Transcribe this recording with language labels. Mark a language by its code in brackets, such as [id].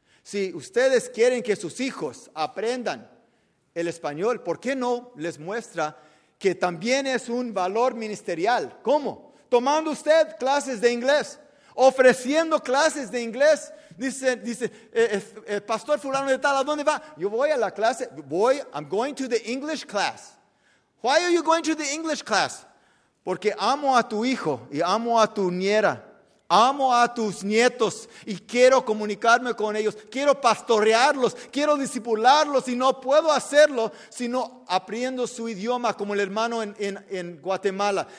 [es] Si ustedes quieren que sus hijos aprendan el español, ¿por qué no les muestra que también es un valor ministerial? ¿Cómo? Tomando usted clases de inglés, ofreciendo clases de inglés. Dice, pastor fulano de tal, ¿a dónde va? Yo voy a la clase, [en] I'm going to the English class. Why are you going to the English class? [es] Porque amo a tu hijo y amo a tu nuera. Amo a tus nietos y quiero comunicarme con ellos. Quiero pastorearlos, quiero discipularlos y no puedo hacerlo si no aprendo su idioma como el hermano en Guatemala.